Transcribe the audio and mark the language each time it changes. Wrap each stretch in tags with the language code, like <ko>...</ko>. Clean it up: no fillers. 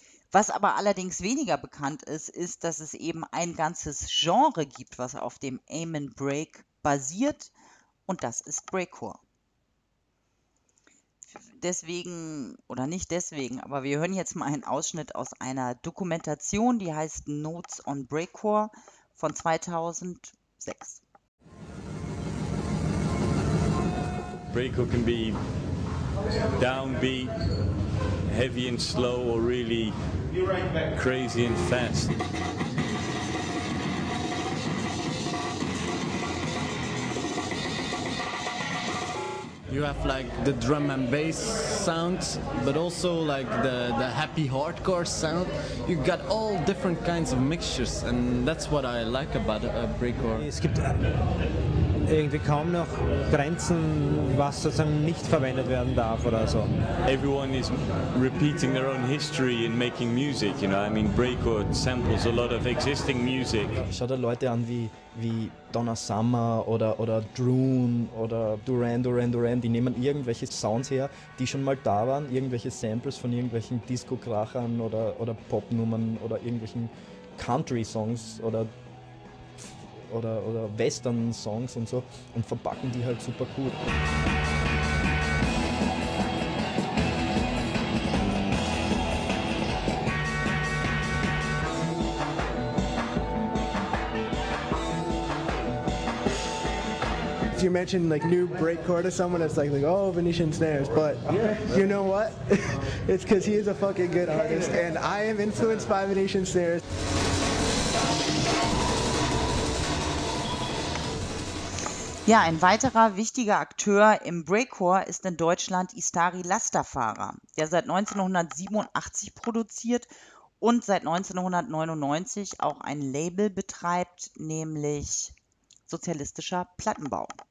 <de>Was aber allerdings weniger bekannt ist, ist, dass es eben ein ganzes Genre gibt, was auf dem Amen Break basiert, und das ist Breakcore. Deswegen, oder nicht deswegen, aber wir hören jetzt mal einen Ausschnitt aus einer Dokumentation, die heißt Notes on Breakcore von 2006.</de> <en>Breakcore can be downbeat, heavy and slow, or really crazy and fast. You have like the drum and bass sound, but also like the happy hardcore sound. You've got all different kinds of mixtures, and that's what I like about a breakcore.</en> <de>Es gibt irgendwie kaum noch Grenzen, was sozusagen nicht verwendet werden darf oder so.</de> <en>Everyone is repeating their own history in making music. You know, I mean, breakcore samples a lot of existing music.</en> <de>Schau dir Leute an wie Donna Summer oder Droon oder Duran, die nehmen irgendwelche Sounds her, die schon mal da waren, irgendwelche Samples von irgendwelchen Disco-Krachern oder Pop-Nummern oder irgendwelchen Country-Songs oder Western-Songs und so und verpacken die halt super cool.</de> <en>If you mention like new breakcore to someone, it's like oh, Venetian Snares, but you know what? It's because he is a fucking good artist, and I am influenced by Venetian Snares.</en> <de>Ja, ein weiterer wichtiger Akteur im Breakcore ist in Deutschland Istari Lasterfahrer, der seit 1987 produziert und seit 1999 auch ein Label betreibt, nämlich Sozialistischer Plattenbau.</de>